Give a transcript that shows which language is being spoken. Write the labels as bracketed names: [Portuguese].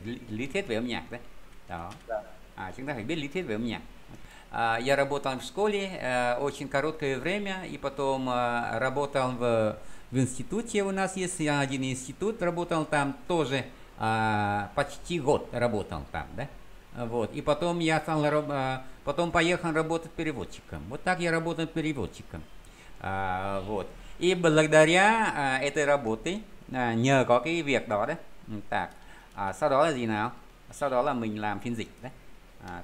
[Vietnamese] Lý thuyết về âm nhạc, да? [Russian] Да. [Vietnamese] Chúng ta phải biết lý thuyết về âm nhạc. [Russian] Я работал в школе очень короткое время, и потом работал в институте. У нас есть один институт, работал там тоже почти год работал там, да? Вот. И потом я стал потом поехал работать переводчиком. Вот так я работал переводчиком. Вот. И благодаря этой работе, [Vietnamese] nhờ có cái việc đó, [Russian] да? [Vietnamese] Так. Sau đó là gì nào? Sau đó là mình làm phiên dịch, да?